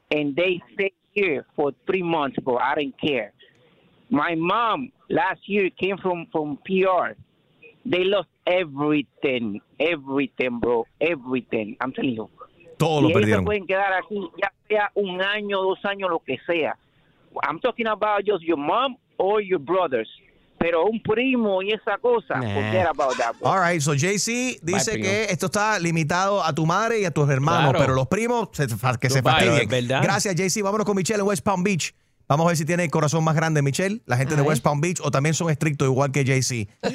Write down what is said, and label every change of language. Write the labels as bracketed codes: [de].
[en] And they stay here for 3 months, bro. I don't care. My mom last year came from PR. They lost everything, bro, everything. I'm telling you. [es] Todo y lo perdieron. Se pueden quedar aquí, ya sea un año, 2 años, lo que sea. [en] I'm talking about just your mom or your brothers. [es] Pero un primo y esa cosa, [en] forget about that, bro. All right, so [es] JC dice que esto está limitado a tu madre y a tus hermanos, claro. Pero los primos se fastidien. Gracias, JC. Vámonos con Michelle en West Palm Beach. Vamos a ver si tiene el corazón más grande, Michelle, la gente de West Palm Beach, o también son estrictos igual que JC.